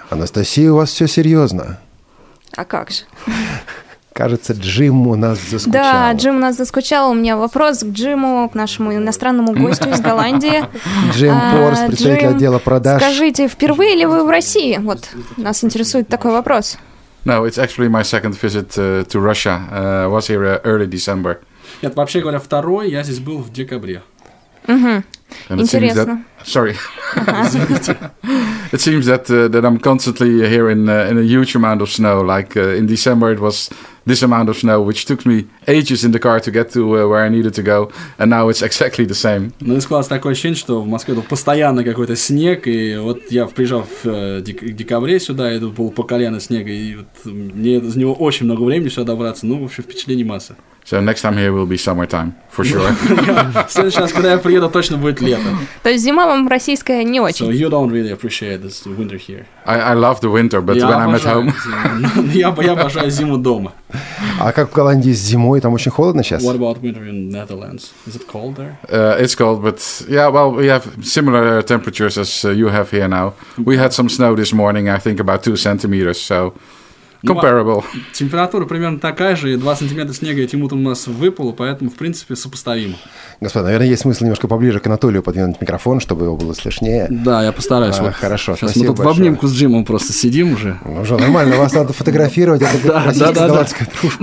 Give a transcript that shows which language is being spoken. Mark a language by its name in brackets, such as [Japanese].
[Russian] Анастасия, у вас все серьезно? А как же? Кажется, Джим у нас заскучал. Да, Джим у нас заскучал. У меня вопрос к Джиму, к нашему иностранному гостю из Голландии. Джим Порс, представитель отдела продаж. Скажите, впервые ли вы в России? Вот нас интересует такой вопрос. [English] No, it's actually my second visit to Russia. I was here early December. [Russian] Нет, вообще говоря, второй. Я здесь был в декабре. Интересно. [English] Sorry. It seems that that I'm constantly here in a huge amount of snow. Like in December, it was this amount of snow, which took me ages in the car to get to where I needed to go, and now it's exactly the same. [Russian] Ну, и складывается такое ощущение, что в Москве тут постоянно какой-то снег, и вот я приезжал в декабре сюда, и тут был по колено снег, и вот мне с него очень много времени сюда добраться. Ну, в общем, впечатлений масса. [English] So next time here will be summertime, for sure. [Russian] В следующий раз, когда я приеду, точно будет лето. То есть зима вам российская не очень? [English] So you don't really appreciate this winter here. I love the winter, but when I'm at home... [Russian] Я обожаю зиму дома. А как в Голландии с зимой? Там очень холодно сейчас? [English] What about winter in Netherlands? Is it cold there? It's cold, but yeah, well, we have similar temperatures as you have here now. We had some snow this morning, I think about 2 centimeters, so... Comparable. [Russian] Ну, температура примерно такая же, и 2 сантиметра снега этим утром у нас выпало, поэтому, в принципе, сопоставимо. Господа, наверное, есть смысл немножко поближе к Анатолию подвинуть микрофон, чтобы его было слышнее. Да, я постараюсь. Вот. Хорошо, сейчас спасибо мы тут большое. В обнимку с Джимом просто сидим уже. Ну что, нормально, вас надо фотографировать, это будет российско-голландская дружба.